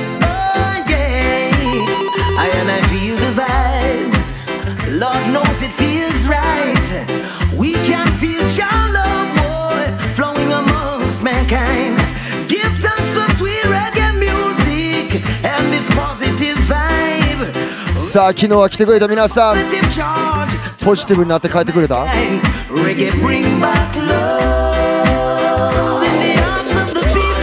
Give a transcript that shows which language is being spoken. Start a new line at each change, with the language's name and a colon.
English: Oh yeah, I and I feel the vibes. Lord knows it feels right. We can feel your love, boy, flowing amongst mankind. Give thanks for sweet reggae music and this positive vibe.
Japanese: さあ昨日は来てくれた皆さん、ポジティブになって帰ってくれた。
English: Reggae bring back love in the hearts of the people.